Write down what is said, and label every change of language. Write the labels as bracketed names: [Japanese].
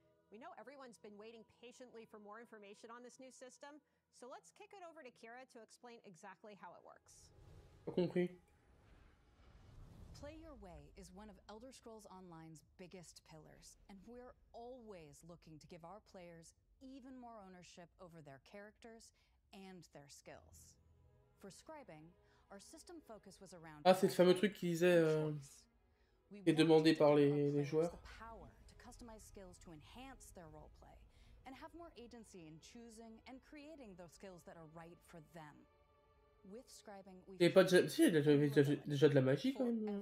[English] We know everyone's been waiting patiently for more information on this new system, so let's kick it over to Kira to explain exactly how it works. Okay. Play Your Way is one of Elder Scrolls Online's biggest pillars, and we're always looking to give our players even more ownership over their characters and their skills. For scribing, our system focus was around... [French] Ah, c'est le fameux truc qui disait et demandé par les joueurs. [English] Customize skills to enhance their roleplay, and have more agency in choosing and creating those skills that are right for them. With scribing, we [French] pas déjà, si, déjà de la magie quand même.